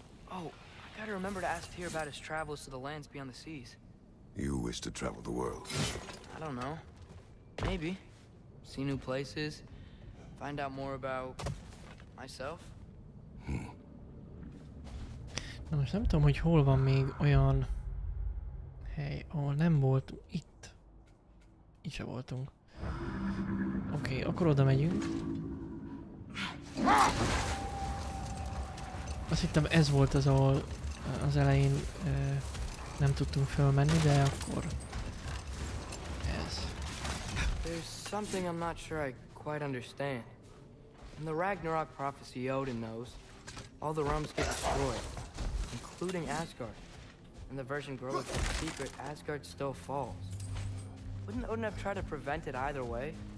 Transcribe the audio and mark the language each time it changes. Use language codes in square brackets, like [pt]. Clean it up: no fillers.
[en] Oh, I gotta remember to ask Tyr about his travels to the lands beyond the seas. You wish to travel the world? I don't know. Maybe. See new places. Find out more about myself. [hu] Na most nem tudom, hogy hol van még olyan hely, ahol nem volt itt. Itt se voltunk. Oké, akkor oda megyünk. Azt hittem ez volt az, ahol az elején nem tudtunk fölmenni, de akkor... [en] There's something I'm not sure I quite understand. In the Ragnarok prophecy, Odin knows, all the realms get destroyed, including Asgard. and the version Gorilla kept secret, Asgard still falls. Wouldn't Odin have tried to prevent it either way?